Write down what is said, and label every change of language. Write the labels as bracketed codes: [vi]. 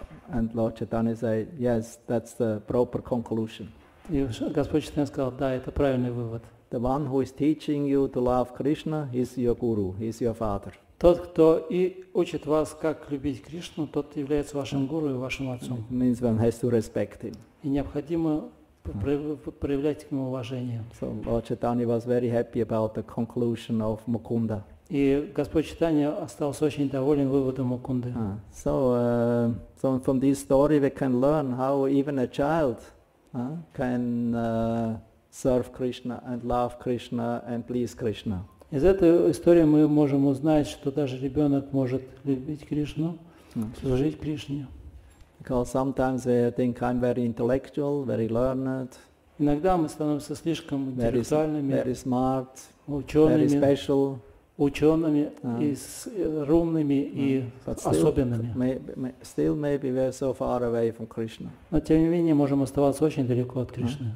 [en] And Lord Chaitanya said, "Yes, that's the proper conclusion." [ru] И Господь Чайтанья сказал, да, это правильный вывод. [en] The one who is teaching you to love Krishna is your guru, is your father. [ru] Тот, кто и учит вас, как любить Кришну, тот является вашим гуру и вашим отцом. [en] It means one has to respect him. [ru] И необходимо проявлять к нему уважение. [en] So Lord Chaitanya was very happy about the conclusion of Mukunda. [ru] И Господь Чайтанья остался очень доволен выводом Мукунды. [en] So from this story we can learn how even a child can serve Krishna and love Krishna and please Krishna. [ru] Из этой истории мы можем узнать, что даже ребенок может любить Кришну, служить Кришне. [en] Because sometimes we think I'm very intellectual, very learned. [ru] Иногда мы становимся слишком интеллектуальными, [en] very smart, [ru] учеными, [en] very special. [ru] Учеными и румными и особенными. [en] Still maybe we are so far away from Krishna. [ru] Но тем не менее можем оставаться очень далеко от Кришны.